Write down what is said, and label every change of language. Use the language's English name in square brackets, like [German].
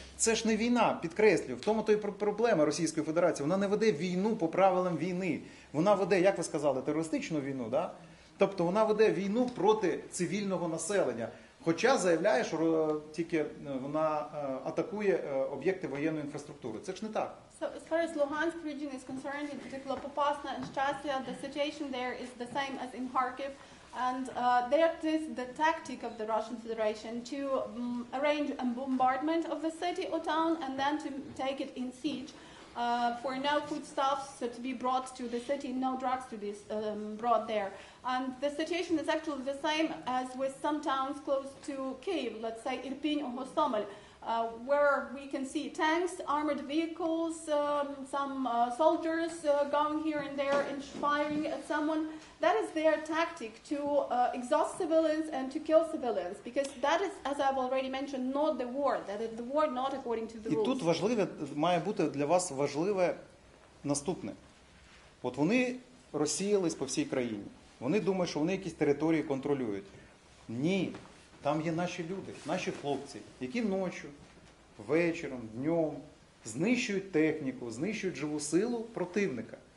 [Ukrainian] Це ж не війна, підкреслюю. В тому то й проблема Російської Федерації. Вона не веде війну по правилам війни. Вона веде, як ви сказали, терористичну війну, да? Тобто вона веде війну проти цивільного населення. Хоча заявляє, що тільки вона атакує об'єкти воєнної інфраструктури. Це ж не так. [English] So as far as Luhansk region is concerned, in particular Popasna and Shchastya, the situation there is the same as in Kharkiv. And that is the tactic of the Russian Federation to arrange a bombardment of the city or town and then to take it in siege for no foodstuffs to be brought to the city, no drugs to be brought there. And the situation is actually the same as with some towns close to Kyiv, let's say Irpin or Hostomel, where we can see tanks, armored vehicles, some soldiers going here and there and firing at someone. That is their tactic, to exhaust civilians and to kill civilians, because that is, as I've already mentioned, not the war. That is the war not according to the rules. [Ukrainian] І тут важливе, має бути для вас важливе наступне. От вони розсіялись по всій країні. Вони думають, що вони якісь території контролюють. Ні, там є наші люди, наші хлопці, які ночі, вечором, днем знищують техніку, знищують живу силу противника.